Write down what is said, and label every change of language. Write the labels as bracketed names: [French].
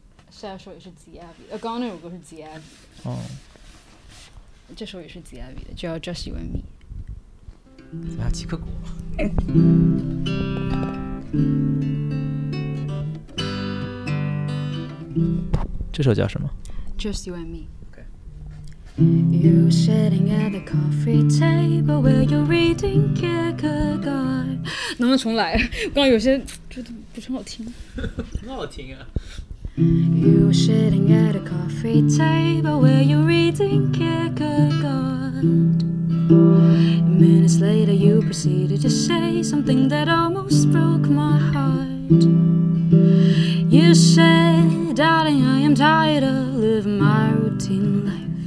[Chinese] 下一首也是 Zee Avi 的，刚刚那首歌是 Zee Avi 的。哦，这首也是 Zee Avi 的，叫 Just You and Me。怎么还有七颗果？这首叫什么 [English] ？Just You and Me。 OK。 You're sitting at the coffee table where you're reading Kierkegaard. [Chinese] 能不能重来？刚有些觉得不是很好听。很好听啊。 [English] You're sitting at a coffee table where you're reading Kierkegaard. Minutes later, you proceeded to say something that almost broke my heart. You said, darling, I am tired of living my routine life.